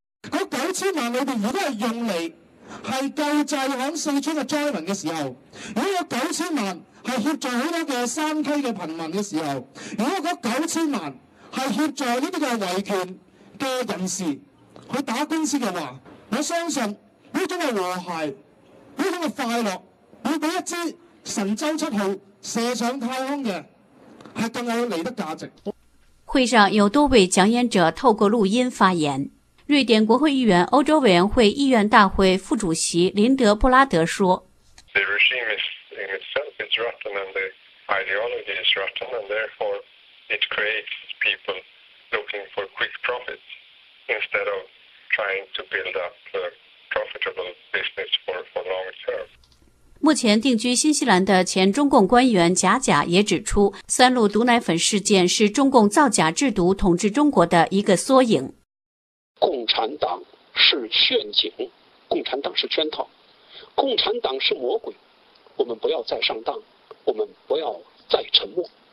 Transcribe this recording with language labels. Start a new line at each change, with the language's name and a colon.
Chinese: 那9000万里面如果是用来是救济在四川的灾民的时候，如果9000万是协助很多的山区的贫民的时候，如果9000万是协助这些维权的人士去打官司的话，我相信这种的和谐，这种的快乐，会比一支神舟七号射上太空的是更有利的价值。会上有多位讲演者透过录音发言。瑞典国会议员、欧洲委员会议员大会副主席林德布拉德说，
English: The regime is in itself is rotten and the ideology is rotten and therefore it creates people looking for quick profits instead of trying to build up profitable business for long term。
Chinese: 目前定居新西兰的前中共官员贾贾也指出，三鹿毒奶粉事件是中共造假制毒统治中国的一个缩影。共产党是陷阱，共产党是圈套，共产党是魔鬼，我们不要再上当，我们不要再沉默。